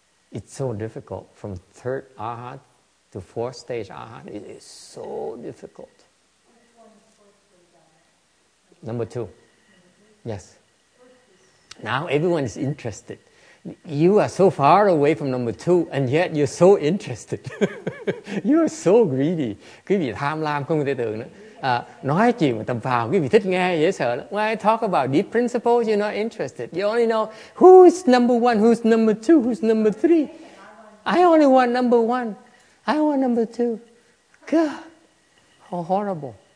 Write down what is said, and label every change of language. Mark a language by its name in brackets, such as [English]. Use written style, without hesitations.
[English] It's so difficult. From third arhat to fourth stage arhat, it is so difficult. Number two. Yes. Now everyone is interested. You are so far away from number two, and yet you're so interested. You are so greedy. [Vietnamese] Quý vị tham lam không thể tưởng nữa. Nói chuyện mà tầm phào, quý vị thích nghe, dễ sợ lắm. [English] When I talk about deep principles, you're not interested. You only know who's number one, who's number two, who's number three. I only want number one. I want number two. God, how horrible.